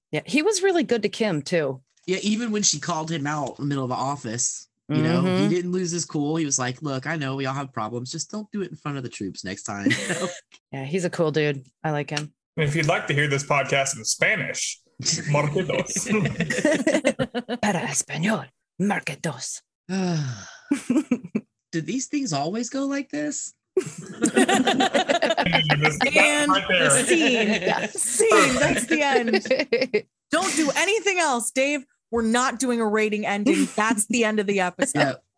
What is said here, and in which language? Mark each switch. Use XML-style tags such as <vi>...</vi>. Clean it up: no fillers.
<en>Yeah, he was really good to Kim, too. Yeah, even when she called him out in the middle of the office, you know, he didn't lose his cool. He was like, look, I know we all have problems. Just don't do it in front of the troops next time. Yeah, he's a cool dude. I like him. If you'd like to hear this podcast in Spanish, marque dos.</en> <es>Para español, marque dos.</es> <en>Do these things always go like this? And scene. That's the end. Don't do anything else, Dave. We're not doing a rating ending. That's the end of the episode.</en>